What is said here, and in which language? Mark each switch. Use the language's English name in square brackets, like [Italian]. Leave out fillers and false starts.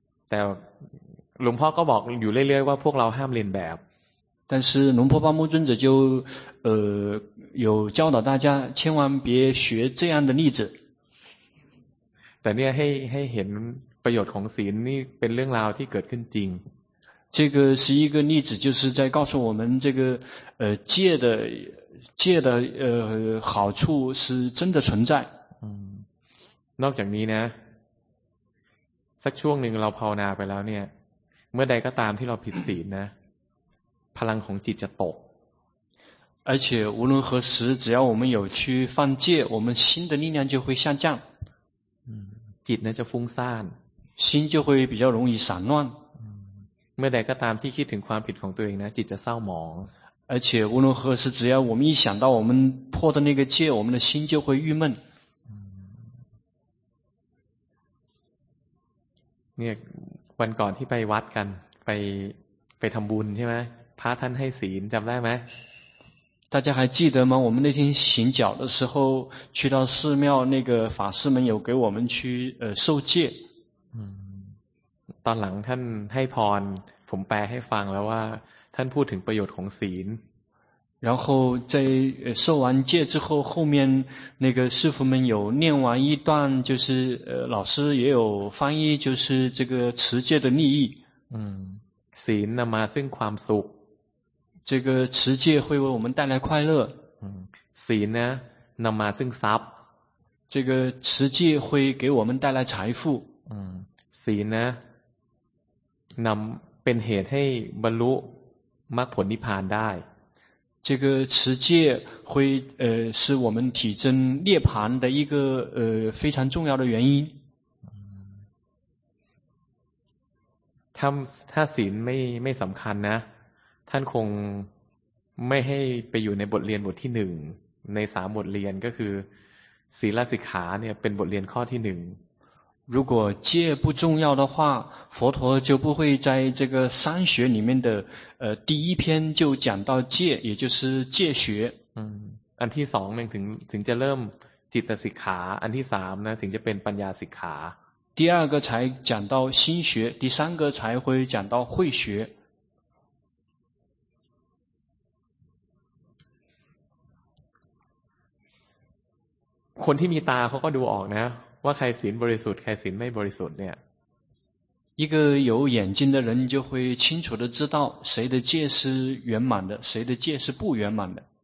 [Thai] แต่หลวงพ่อก็บอกอยู่เรื่อยๆว่าพวกเราห้ามเลียนแบบ [Chinese] 但是龙婆巴木尊者就有教导大家千万别学这样的例子 [Thai] แต่เนี่ยให้เห็นประโยชน์ของศีลนี่เป็นเรื่องราวที่เกิดขึ้นจริง [Chinese] 这个是一个例子就是在告诉我们这个戒的好处是真的存在 [Thai] นอกจากนี้นะสักช่วงนึงเราภาวนาไปแล้วเนี่ยเมื่อใดก็ตามที่เราผิดศีลนะพลังของจิตจะตก [Chinese] 而且无论何时只要我们有去犯戒我们心的力量就会下降 [Thai] จิตนั้นจะฟุ้งซ่าน [Chinese] 心就会比较容易散乱 [Thai] เมื่อใดก็ตามที่คิดถึงความผิดของตัวเองนะจิตจะเศร้าหมอง [Chinese] 而且无论何时只要我们一想到我们破的那个戒我们的心就会郁闷 [Thai] เนี่ยวันก่อนที่ไปวัดกันไปทำบุญใช่ไหมพระท่านให้ศีลจำได้ไหม [Chinese] 大家还记得吗我们那天行脚的时候去到寺庙那个法师们有给我们去受戒 [Thai] ตอนหลังท่านให้พรผมแปลให้ฟังแล้วว่าท่านพูดถึงประโยชน์ของศีล [Chinese] 然后在受完戒之后后面那个师父们有念完一段就是老师也有翻译就是这个持戒的利益 [Thai] ศีลนำมาซึ่งความสุข [Chinese] 这个持戒会为我们带来快乐 [Thai] ศีลนะนำมาซึ่งทรัพย์ [Chinese] 这个持戒会给我们带来财富 [Thai] ศีลนะนำเป็นเหตุให้บรรลุมรรคผลนิพพานได้ [Chinese] 这个持戒会是我们体证涅槃的一个非常重要的原因 [Thai] ถ้าศีลไม่สำคัญนะท่านคงไม่ให้ไปอยู่ในบทเรียนบทที่หนึ่ง ในสามบทเรียนก็คือศีลสิกขาเนี่ยเป็นบทเรียนข้อที่หนึ่ง [Chinese] 如果戒不重要的话佛陀就不会在这个三学里面的第一篇就讲到戒也就是戒学 [Thai] อันที่สองถึงจะเริ่มจิตสิกขาอันที่สามนะถึงจะเป็นปัญญาสิกขา [Chinese] 第二个才讲到心学第三个才会讲到慧学 [Thai] คนที่มีตาเขาก็ดูออกนะว่าใครศีลบริสุทธิ์ใครศีลไม่บริสุทธิ์เนี่ย [Chinese] 一个有眼睛的人就会清楚的知道谁的戒是圆满的谁的戒是不圆满的